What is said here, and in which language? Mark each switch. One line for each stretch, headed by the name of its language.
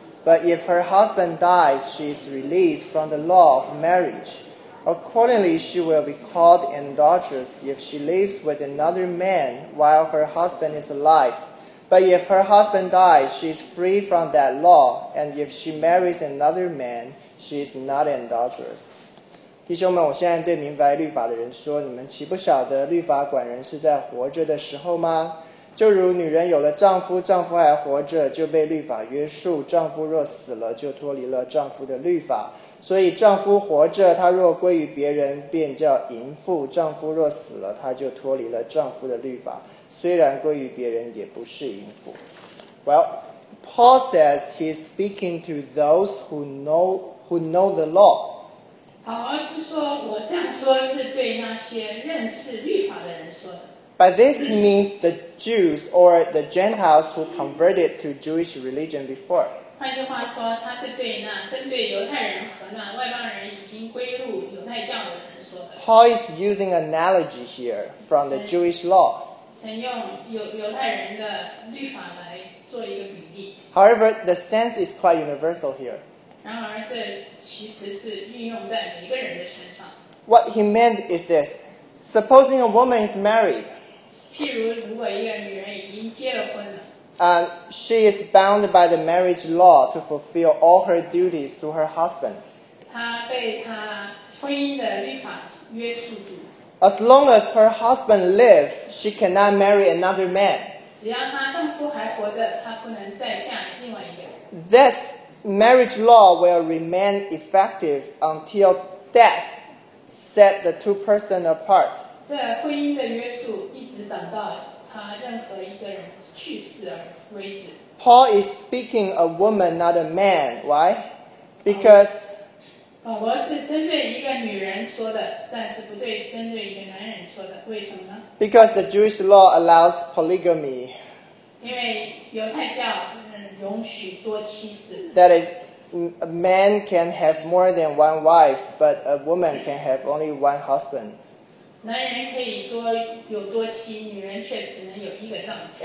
English: But if her husband dies, she is released from the law of marriage. Accordingly, she will be called an adulteress if she lives with another man while her husband is alive. But if her husband dies, she is free from that law. And if she marries another man, she is not an adulteress.
Chinese: 弟兄们，我现在对明白律法的人说，你们岂不晓得律法管人是在活着的时候吗？就如女人有了丈夫，丈夫还活着，就被律法约束。丈夫若死了，就脱离了丈夫的律法。所以丈夫活着，他若归于别人，便叫淫妇；丈夫若死了，他就脱离了丈夫的律法。虽然归于别人，也不是淫妇。
English: Well, Paul says he's speaking to those who know the law.
Chinese: 好，是说我这样说是对那些认识律法的人说的。
English: But this means the Jews or the Gentiles who converted to Jewish religion before.
Chinese: 换句话说，他是对那针对犹太人和那外邦人已经归入犹太教的人说的。
English: Paul is using analogy here from the Jewish law.
Chinese: 神用犹太人的律法来做一个比喻。
English: However, the sense is quite universal here.
Chinese: 然而，这其实是运用在每个人的身上。
English: What he meant is this. Supposing a woman is married,
Chinese: 譬如如果一个女人已经结了婚了
English: she is bound by the marriage law to fulfill all her duties to her husband.
Chinese: 她被她婚姻的律法约束住。
English: As long as her husband lives, she cannot marry another man.
Chinese: 只要她丈夫还活着，她不能再嫁另外一个。
English: This marriage law will remain effective until death. Set the two persons apart. Paul is speaking a woman, not a man. Why? Because
Chinese: 我是针对一个女人说的，但是不对针对一个男人说的，为什么呢？
English: Because the Jewish law allows polygamy.
Chinese: 因为犹太教容许多妻子。
English: That is, a man can have more than one wife, but a woman can have only one husband.
Chinese: 男人可以多有多妻，女人却只能有一个丈夫。